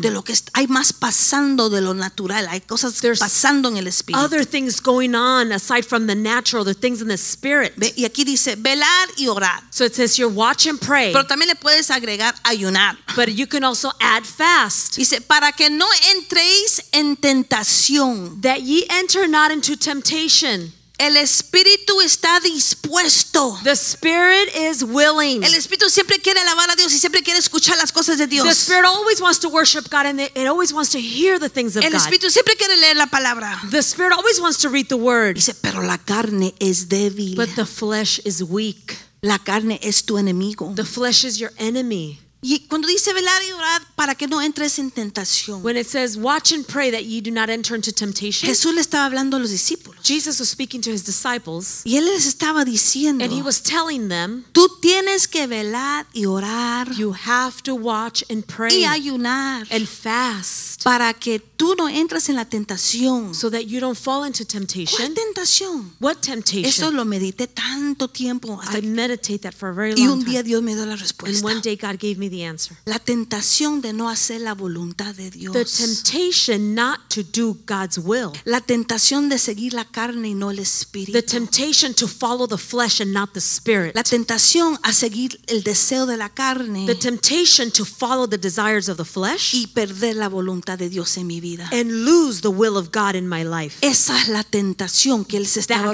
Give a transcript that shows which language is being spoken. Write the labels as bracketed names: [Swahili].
[Spanish] De lo que hay más pasando de lo natural. Hay cosas [English] There's [Spanish] pasando en el espíritu. [English] Other things going on aside from the natural. The things in the spirit. [Spanish] Y aquí dice, velar y orar. [English] So it says, you're watch and pray. [Spanish] Pero también le puedes agregar ayunar. [English] But you can also add fast. [Spanish] Dice, para que no entréis en tentación. [English] That ye enter not into temptation. [Spanish] El espíritu está dispuesto. [English] The spirit is willing. [Spanish] El espíritu siempre quiere alabar a Dios y siempre quiere escuchar las cosas de Dios. [English] The spirit always wants to worship God and it always wants to hear the things of God. [Spanish] El espíritu siempre quiere leer la palabra. [English] The spirit always wants to read the word. [Spanish] Dice, pero la carne es débil. [English] But the flesh is weak. [Spanish] La carne es tu enemigo. [English] The flesh is your enemy. [Spanish] Y cuando dice velar y orar para que no entres en tentación. [English] When it says watch and pray that ye do not enter into temptation. [Spanish] Jesús le estaba hablando a los discípulos. [English] Jesus was speaking to his disciples. [Spanish] Y él les estaba diciendo. [English] And he was telling them. [Spanish] Tú tienes que velar y orar. [English] You have to watch and pray. [Spanish] Y ayunar. [English] And fast. [Spanish] Para que tú no entres en la tentación. [English] So that you don't fall into temptation. [Spanish] ¿Cuál tentación? [English] What temptation? [Spanish] Eso lo medité tanto tiempo. [English] I meditate that for a very long time. [Spanish] Y un día Dios me dio la respuesta. [English] And one day God gave me the answer. [Spanish] La tentación de no hacer la voluntad de Dios. [English] The temptation not to do God's will. [Spanish] La tentación de seguir la carne y no el espíritu. [English] The temptation to follow the flesh and not the spirit. [Spanish] La tentación a seguir el deseo de la carne. [English] The temptation to follow the desires of the flesh. [Spanish] Y perder la voluntad de Dios en mi vida. [English] And lose the will of God in my life. [Spanish] Esa es la tentación que él se estaba